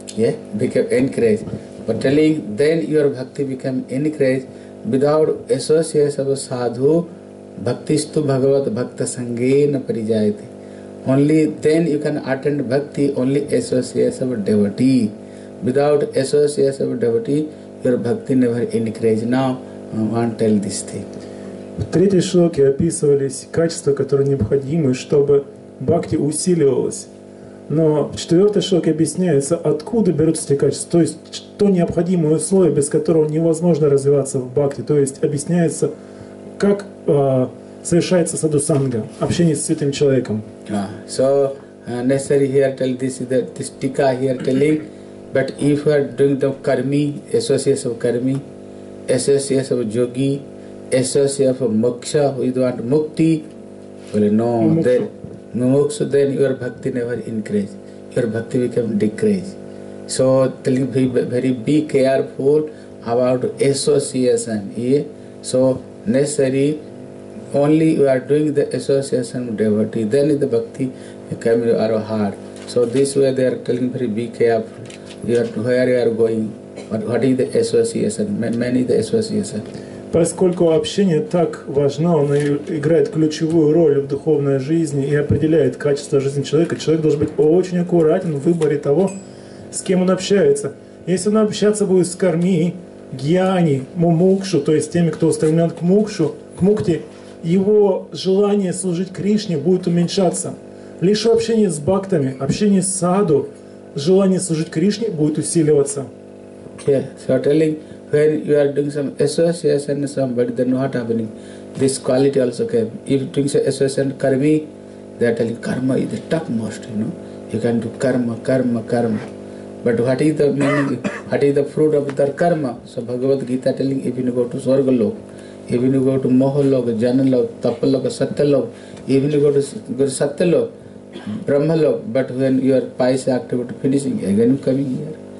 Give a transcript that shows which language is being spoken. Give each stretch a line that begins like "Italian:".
English: Yeah, became increased. But telling then your bhakti became increased without association of sadhu,
Sanskrit: bhaktistu bhagavat bhakta sangena parijayati.
English: Only then you can attend bhakti, only association of devotee. Without association of devotee, your bhakti never increase. Now, I want to tell this thing.
Russian: В третьей шлоке описывались качества, которые необходимы, чтобы бхакти усиливалось. Но в четвертой шлоке объясняется, откуда берутся эти качества, то есть что необходимое условие, без которого невозможно развиваться в бхакти. То есть объясняется, как совершается садусанга, общение с святым человеком.
English: So, necessary here tell this, that this tika here telling, but if you are doing the karmi, associates of yogi, associate of moksha, we want mukti, well, no, mumukshu, then your bhakti never increase, your bhakti become decrease. So, telling very be careful about association. Yeah? So, necessary, only you are doing the association of devotee, then the bhakti become your heart. So, this way they are telling very be careful, where you are going, what is the association, many the association.
Russian: Поскольку общение так важно, оно играет ключевую роль в духовной жизни и определяет качество жизни человека, человек должен быть очень аккуратен в выборе того, с кем он общается. Если он общаться будет с карми, гьяни, мумукшу, то есть теми, кто устремлен к мукшу, к мукте, его желание служить Кришне будет уменьшаться. Лишь общение с бхактами, общение с саду, желание служить Кришне будет усиливаться.
English: When you are doing some association with somebody, then what happening? This quality also came. If you doing some association with karmi, they are telling karma is the topmost, you know. You can do karma, karma, karma. But what is the meaning? What is the fruit of their karma? So Bhagavad Gita telling, if you go to Swargalok, if you go to Mohalok, Jananlok, Tapalok, Satyalok, even you go to Satyalok, Brahmalok, but when your pious activity finishing, again you coming here.